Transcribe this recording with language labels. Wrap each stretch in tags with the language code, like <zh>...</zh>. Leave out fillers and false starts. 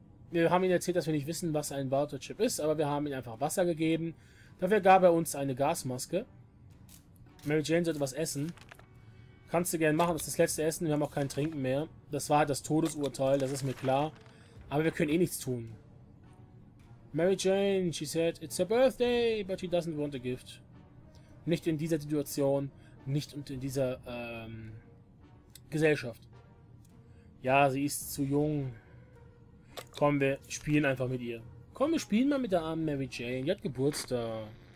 <de>Wir haben ihnen erzählt, dass wir nicht wissen, was ein Waterchip ist, aber wir haben ihnen einfach Wasser gegeben. Dafür gab er uns eine Gasmaske. Mary Jane sollte was essen. Kannst du gerne machen, das ist das letzte Essen. Wir haben auch kein Trinken mehr. Das war halt das Todesurteil, das ist mir klar. Aber wir können eh nichts tun.</de> <en>Mary Jane, she said, it's her birthday, but she doesn't want a gift.</en> <de>Nicht in dieser Situation, nicht in dieser Gesellschaft. Ja, sie ist zu jung. Komm, wir spielen einfach mit ihr. Komm, wir spielen mal mit der armen Mary Jane. Die hat Geburtstag.</de>